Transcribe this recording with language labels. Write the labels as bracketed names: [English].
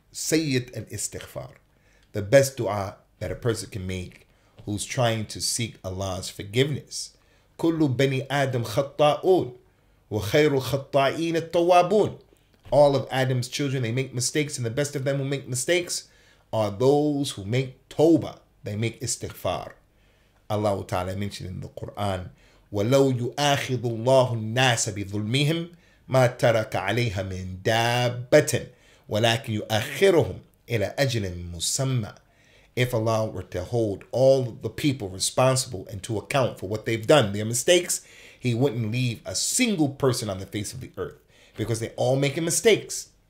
[English] Sayyid al-Istighfar, the best dua that a person can make who's trying to seek Allah's forgiveness. [Arabic] Kullu bani Adam khatta'un wa khayru khatta'in at-tawwabun. [English] All of Adam's children, they make mistakes, and the best of them who make mistakes are those who make tawbah. They make istighfar. Allah Ta'ala mentioned in the Quran, [Arabic] وَلَوْ يُؤَاخِذُ اللَّهُ النَّاسَ بِظُلْمِهِمْ مَا تَرَكَ عَلَيْهَا مِنْ دَابَّةٍ ولكن يؤخرهم إلى أجل مسمى. [English] If Allah were to hold all the people responsible and to account for what they've done, their mistakes, He wouldn't leave a single person on the face of the earth because they're all making mistakes.